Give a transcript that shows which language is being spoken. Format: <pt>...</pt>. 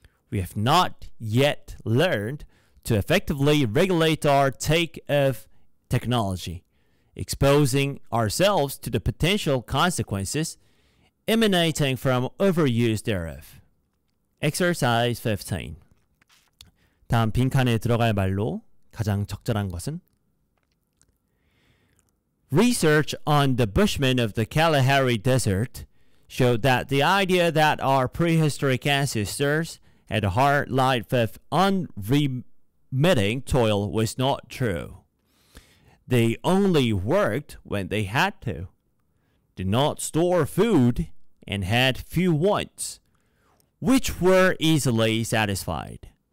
<en>We have not yet learned to effectively regulate our take of technology, exposing ourselves to the potential consequences emanating from overuse thereof. Exercise 15.</en> <ko>다음 빈칸에 들어갈 말로 가장 적절한 것은?</ko> <en>Research on the Bushmen of the Kalahari Desert showed that the idea that our prehistoric ancestors had a hard life of unremitting toil was not true. They only worked when they had to, did not store food, and had few wants, which were easily satisfied.</en>